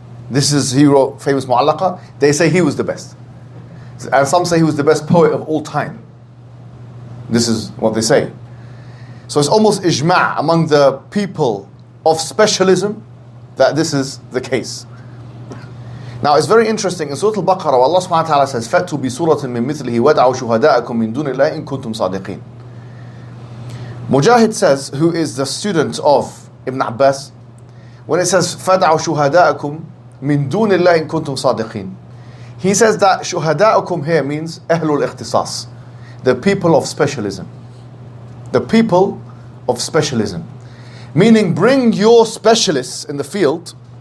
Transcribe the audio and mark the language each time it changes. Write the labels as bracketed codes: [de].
[en] This is, he wrote famous Mu'allaqa. They say he was the best. And some say he was the best poet of all time. This is what they say. So it's almost ijma' among the people of specialism that this is the case. Now it's very interesting. In Surah Al-Baqarah, Allah subhanahu wa ta'ala says, [ar] فَأْتُوا بِسُورَةٍ مِّن مِثْلِهِ وَدْعُوا شُهَدَاءَكُمْ مِن دُونِ اللَّهِ إِن كُنتُمْ صَادِقِينَ. [en] Mujahid says, who is the student of Ibn Abbas, when it says, [ar] فَدْعُوا شُهَدَاءَكُمْ مِن دُونِ اللَّهِ إِن كُنتُمْ صَادِقِينَ, [en] he says that شُهَدَاءَكُمْ here means [ar] أَهْلُ الْإِخْتِصَاصِ, [en] the people of specialism. The people of specialism. Meaning, bring your specialists in the field.